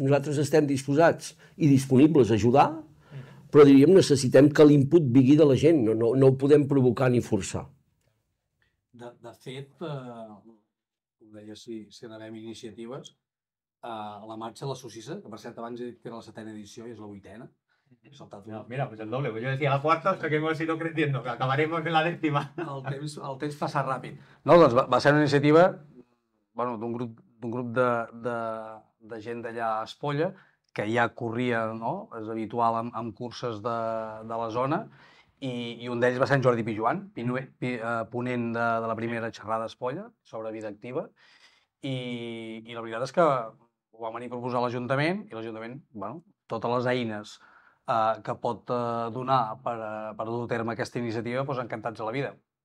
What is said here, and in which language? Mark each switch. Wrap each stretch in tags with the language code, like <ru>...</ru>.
<ca>Nosaltres estem disposats i disponibles a ajudar, però diríem, necessitem que l'input vingui de la gent, no ho podem provocar ni forçar. De fet, com deia, si anem iniciatives, la marxa de la Sossissa, que per cert abans he dit que era la setena edició i és la vuitena,</ca> <es>mira, pues el doble, pues yo decía la cuarta, hasta que hemos ido creciendo, que acabaremos en la décima.</es> <ca>El temps passa ràpid. No, doncs va ser una iniciativa, bueno, d'un grup de gent d'allà a Espolla, que ja corria, no?, és habitual amb curses de la zona, i un d'ells va ser en Jordi Pijuan, ponent de la primera xerrada a Espolla sobre vida activa, i la veritat és que ho vam venir a proposar a l'Ajuntament, i l'Ajuntament, bueno, totes les eines que pot donar per dur a terme aquesta iniciativa, doncs encantats a la vida.</ca>